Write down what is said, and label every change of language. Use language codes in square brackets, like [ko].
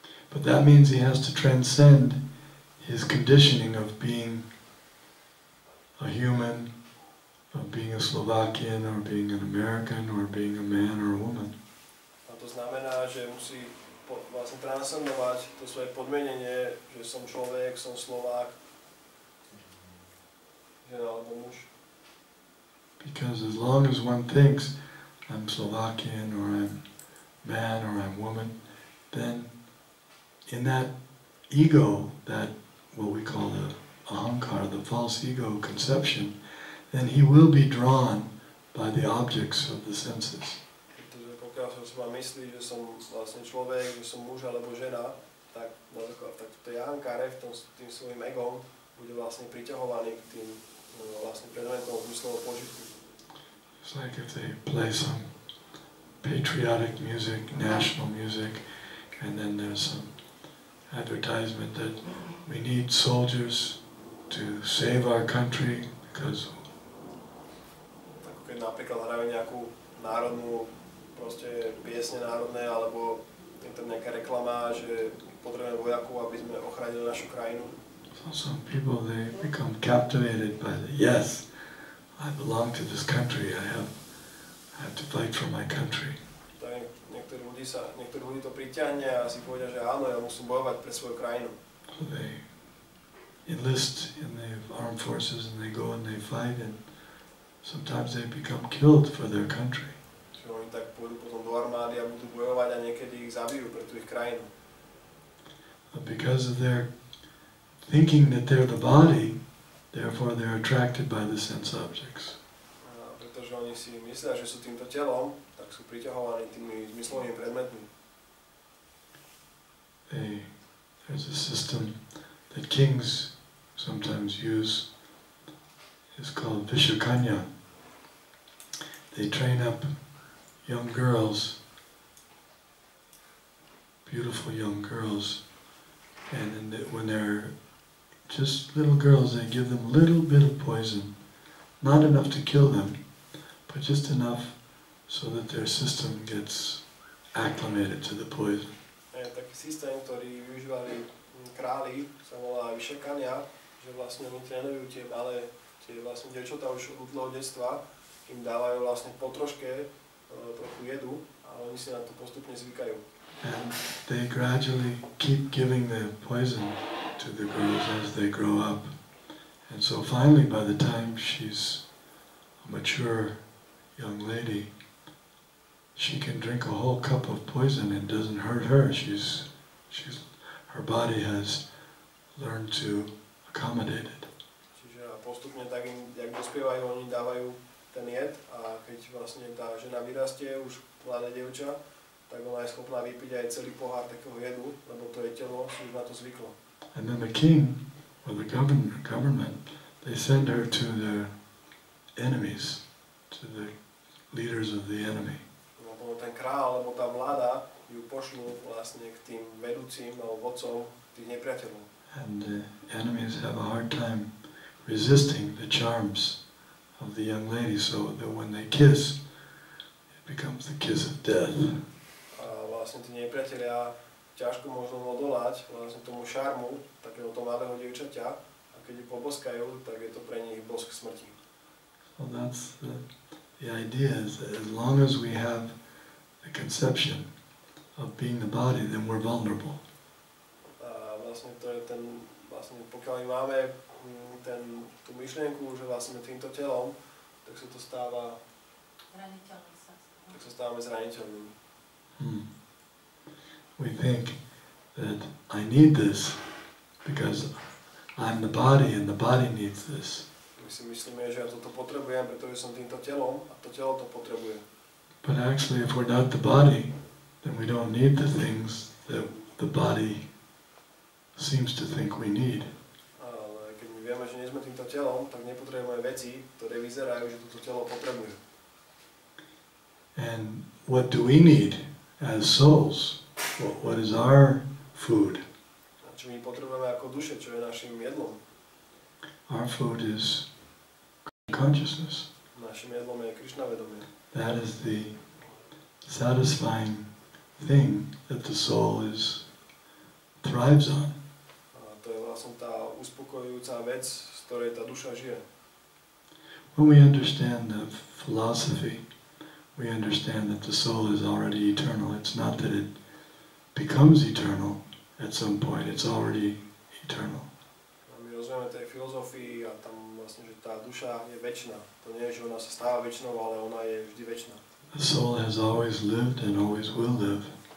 [en] But that means he has to transcend his conditioning of being a human, of being a Slovakian, or being an American, or being a man or a woman. [sk] A to znamená, že musí vlastne transcendovať to svoje podmienenie, že som človek, som Slovák, žena alebo muž. [en] Because as long as one thinks I'm Slovakian, or I'm man, or I'm woman, then in that ego, that what we call the ahankar, the false ego conception, then he will be drawn by the objects of the senses. [sk] Pokiaľ som si myslí, že som vlastne človek, že som muž alebo žena, tak to jahankare v tým svojim egom bude vlastne priťahovaný k tým vlastne predmetom zmyslovo požitku. [en] It's like if they play some patriotic music, national music, and then there's some advertisement that we need soldiers to save our country, because [sk] tak keď napríklad hrajú nejakú národnú proste piesne národné, alebo je tam nejaká reklama, že potrebujeme vojakov, aby sme ochránili našu krajinu. [en] So some people, they become captivated by the, yes, I belong to this country, I have to fight for my country. [sk] Niektorí ľudí to pritiahne a si povedia, že áno, ja musím bojovať pre svoju krajinu. [en] So they enlist in the armed forces and they go and they fight, and sometimes they become killed for their country. [sk] Že oni tak pôjdu potom do armády a budú bojovať a niekedy ich zabijú pre tú ich krajinu. [en] But because of their thinking that they're the body, therefore they're attracted by the sense objects. [sk] Pretože oni si myslia, že sú týmto telom, tak sú priťahovaní tými zmyslovými predmetmi. [en] There's a system that kings sometimes use. It's called Vishakanya. They train up young girls, beautiful young girls, and when they're just little girls, they give them a little bit of poison, not enough to kill them, but just enough so that their system gets acclimated to the poison. [sk] Je taký systém, ktorý využívali králi, sa volá Vishakanya, že vlastne oni trénujú tie malé, tie vlastne dievčatá už od útleho detstva, im dávajú vlastne po troške trochu jedu, ale oni si na to postupne zvykajú. [en] And they gradually keep giving the poison to the girls as they grow up. And so finally, by the time she's a mature young lady, she can drink a whole cup of poison and doesn't hurt her. She's her body has learned to accommodate it. [sk] Čiže postupne tak im, jak dospievajú, oni dávajú ten jed, a keď vlastne tá žena vyrastie, už mladá dievča, tak ona je schopná vypiť aj celý pohár takého jedu, lebo to je telo, už na to zvyklo. [en] And then the king, or the government, they send her to their enemies, to the leaders of the enemy. [sk] Lebo ten král, alebo tá vláda, ju pošlú vlastne k tým vedúcim, alebo vodcom tých nepriateľov. [en] And the enemies have a hard time resisting the charms of the young lady, so that when they kiss, it becomes the kiss of death. [sk] A vlastne tí nepriateľia ťažko možno odolať vlastne tomu šarmu takéhoto mladého dievčaťa, a keď ju poboskajú, tak je to pre nich bosk smrti. [en] So that's the idea, is that as long as we have the conception of being the body, then we're vulnerable. [sk] A vlastne to je ten, vlastne pokiaľ máme tú myšlienku, že vlastne týmto telom, tak sa to stáva zraniteľným. Tak sa stávame zraniteľným. [en] We think that I need this because I'm the body and the body needs this. [sk] My si myslíme, že ja toto potrebujem, pretože som týmto telom a to telo to potrebuje. [en] But actually, if we're not the body, then we don't need the things that the body seems to think we need. [sk] Ale keď my vieme, že nie sme týmto telom, tak nepotrebujeme veci, ktoré vyzerajú, že toto telo potrebuje. [en] And what do we need as souls? What is our food. [sk] Čo my potrebujeme ako duše, čo je našim jedlom. [en] Our food is consciousness. [sk] Našim jedlom je Krishna vedomie. [en] That is the satisfying thing that the soul is thrives on. [sk] To je vlastne tá uspokojujúca vec, z ktorej tá duša žije. [en] When we understand the philosophy, we understand that the soul is already eternal. It's not that it becomes eternal at some point. It's already eternal. [sk] My rozumieme tej filozofii a tam vlastne, že tá duša je večná. To nie je, že ona sa stáva večnou, ale ona je vždy večná. [en] The soul has always lived and always will live.